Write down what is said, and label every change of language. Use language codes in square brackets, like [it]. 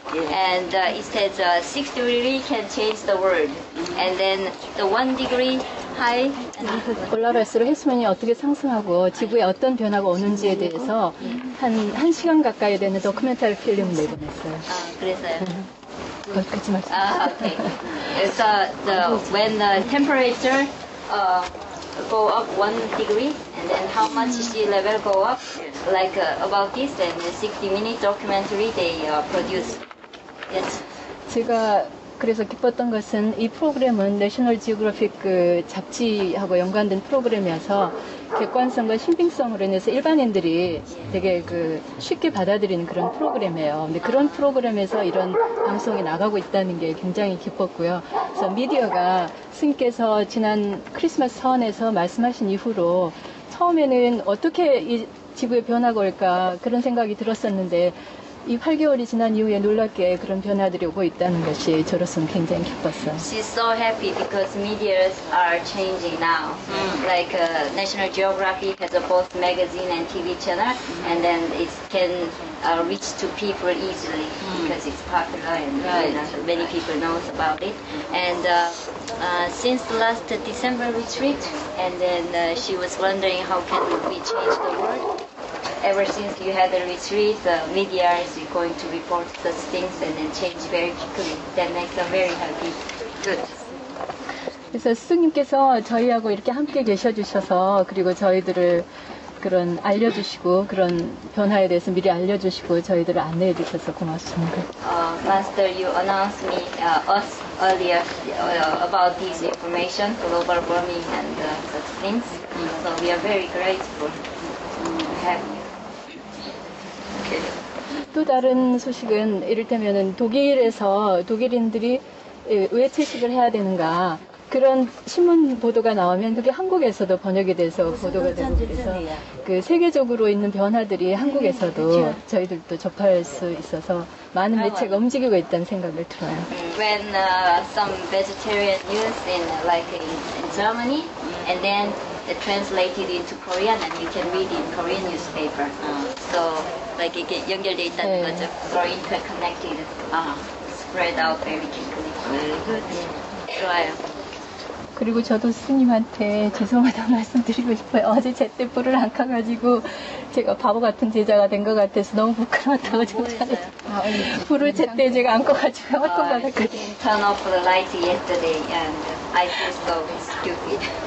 [en] And it says 6 degrees can change the world. And then the 1 degree high. [ko] 올라갈수록 해수면이 어떻게 상승하고 지구에 어떤 변화가 오는지에 대해서 한 시간 가까이 되는 도큐멘터리 필름을 내보냈어요. 그래서요? 거짓말지 마세요. 오케이. [en] So when the temperature go up 1 degree, and then how much sea level go up, like about this, then the 60-minute documentary they produce. Yes. [ko] 제가 그래서 기뻤던 것은 이 프로그램은 내셔널 지오그래픽 그 잡지하고 연관된 프로그램이어서 객관성과 신빙성으로 인해서 일반인들이 되게 그 쉽게 받아들이는 그런 프로그램이에요. 근데 그런 프로그램에서 이런 방송이 나가고 있다는 게 굉장히 기뻤고요. 그래서 미디어가 스님께서 지난 크리스마스 선에서 말씀하신 이후로 처음에는 어떻게 이 지구의 변화가 올까 그런 생각이 들었었는데 이 8개월이 지난 이후에 놀랍게 그런 변화들이 오고 있다는 것이 저로서는 굉장히 기뻤어요. [en] She's so happy because medias are changing now. Like National Geographic has a both magazine and TV channel, and then it can reach to people easily because it's popular and many people know about it. And since the last December retreat, and then she was wondering how can we change the world. Ever since you had a retreat, the media is going to report such things and then change very quickly. That makes us very happy. Good. [ko] 그래서 스승님께서 저희하고 이렇게 함께 계셔주셔서 그리고 저희들을 그런 알려주시고 그런 변화에 대해서 미리 알려주시고 저희들을 안내해 주셔서 고맙습니다. [en] Master, you announced me us earlier about these information, global warming and such things. So we are very grateful to have you. Okay. [ko] 또 다른 소식은 이를테면은 독일에서 독일인들이 왜 채식을 해야 되는가? 그런 신문 보도가 나오면 그게 한국에서도 번역이 돼서 보도가 되고 그래서 그 세계적으로 있는 변화들이 한국에서도 저희들도 접할 수 있어서 많은 매체가 움직이고 있다는 생각을 들어요. [en] When some vegetarian news in like in Germany and then translated into Korean and you can read in Korean newspaper. So like it get [ko] 연결돼 있다는 거죠. [en] So interconnected. Spread out very quickly. Very good. [ko] 좋아요. 그리고 저도 스님한테 죄송하다고 말씀드리고 싶어요. 어제 제때 불을 안 켜가지고 제가 바보 같은 제자가 된 것 같아서 너무 부끄러웠다고 생각해요. 불을 제때 제가 안 꺼가지고 어떤 것 같아요. [en] Turn off the light yesterday and I feel so stupid.